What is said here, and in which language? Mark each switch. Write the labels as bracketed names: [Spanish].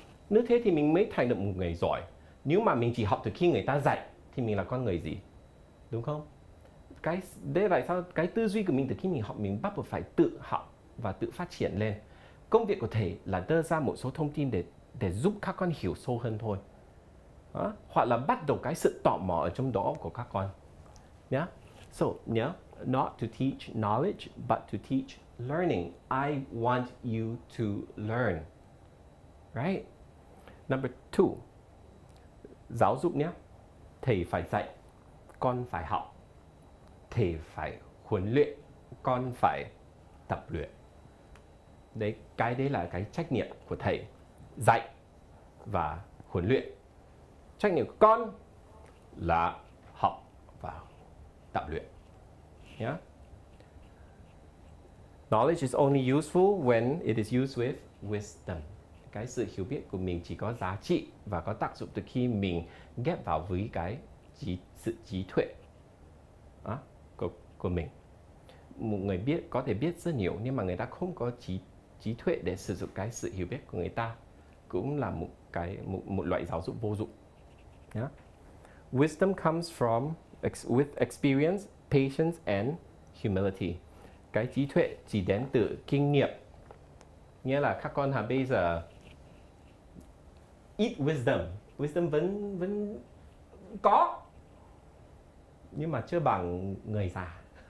[Vietnamese] Như thế thì mình mới thành được một người giỏi. Nếu mà mình chỉ học từ khi người ta dạy, thì mình là con người gì? Đúng không? Cái đấy là sao cái tư duy của mình từ khi mình học, mình bắt buộc phải tự học và tự phát triển lên. Công việc của thầy là đưa ra một số thông tin để giúp các con hiểu sâu hơn thôi. Đó. Hoặc là bắt đầu cái sự tò mò ở trong đó của các con. [English] Yeah. So, yeah, not to teach knowledge, but to teach learning. I want you to learn. Right? Number two, [Vietnamese] giáo dục nhé. Thầy phải dạy, con phải học. Thầy phải huấn luyện, con phải tập luyện. Đấy, cái đấy là cái trách nhiệm của thầy. Dạy và huấn luyện. Trách nhiệm của con là học và tập luyện. [English] Yeah. Knowledge is only useful when it is used with wisdom. [Vietnamese] Cái sự hiểu biết của mình chỉ có giá trị và có tác dụng từ khi mình ghép vào với cái sự trí tuệ. Của mình. Một người biết có thể biết rất nhiều nhưng mà người ta không có trí tuệ để sử dụng cái sự hiểu biết của người ta cũng là một loại giáo dục vô dụng. [English] Yeah. Wisdom comes from with experience, patience and humility. [Vietnamese] Cái trí tuệ chỉ đến từ kinh nghiệm. Nghĩa là các con bây giờ ít wisdom vẫn có nhưng mà chưa bằng người già.